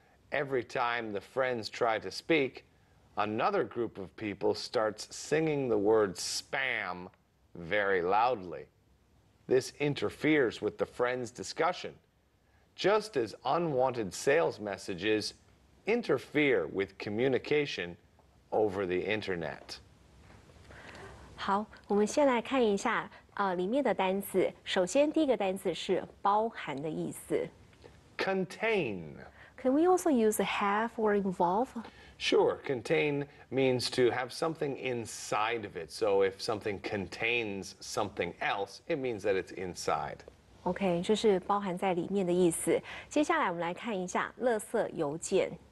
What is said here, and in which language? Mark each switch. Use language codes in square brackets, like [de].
[en] Every time the friends try to speak, another group of people starts singing the word spam very loudly. This interferes with the friends' discussion, just as unwanted sales messages interfere with communication over the internet. [zh] 好，我们先来看一下里面的单词。首先，第一个单词是包含的意思。 [en] Contain. Can we also use have or involve? Sure. Contain means to have something inside of it. So if something contains something else, it means that it's inside. [zh] Okay, 就是包含在里面的意思。接下来我们来看一下垃圾邮件。